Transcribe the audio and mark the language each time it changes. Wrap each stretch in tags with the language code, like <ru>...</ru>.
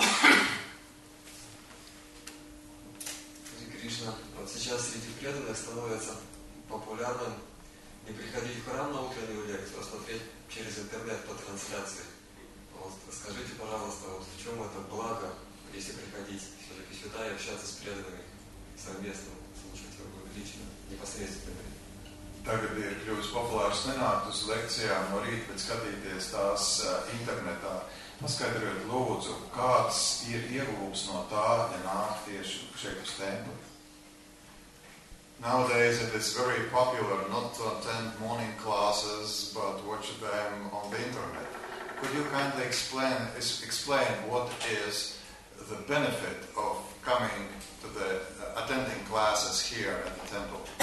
<ru>Hare Кришна, вот сейчас среди преданных становится популярным не приходить в храм на утреннюю лекцию, а смотреть через интернет по трансляции. вот скажите, пожалуйста, вот в чем это благо, если приходить все-таки сюда и общаться с преданными совместно, слушать его лично, непосредственно?</ru> <lv>Tagad ir kļuvis populārs nenākt uz lekcijām no rīta, bet skatīties tās internetā, paskaidrojot lūdzu, kāds ir ieguvums no tā, ja nāk tieši šeit uz templu.</lv> <en>Nowadays it is very popular not to attend morning classes, but watch them on the internet. Could you kindly explain what is the benefit of coming to the attending classes here at the temple?</en>